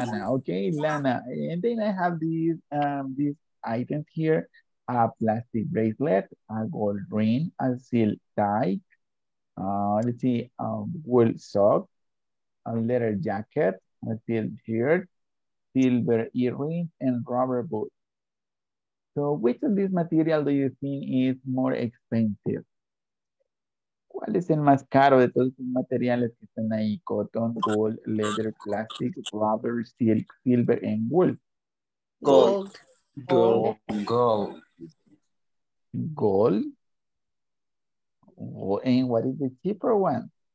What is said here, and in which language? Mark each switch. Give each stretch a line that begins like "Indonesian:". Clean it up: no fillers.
English: okay, lana. And then I have these items here: a plastic bracelet, a gold ring, a silk tie. Let's see, a wool sock, a leather jacket, a silk shirt, silver earring, and rubber boots. So, which of these materials do you think is more expensive?
Spanish: ¿Cuál es el más caro de todos los materiales que están ahí?
English: Cotton, gold, leather, plastic, rubber, silk, silver, and wool. Gold. Gold. Gold. Gold. Gold. And what is the cheaper one?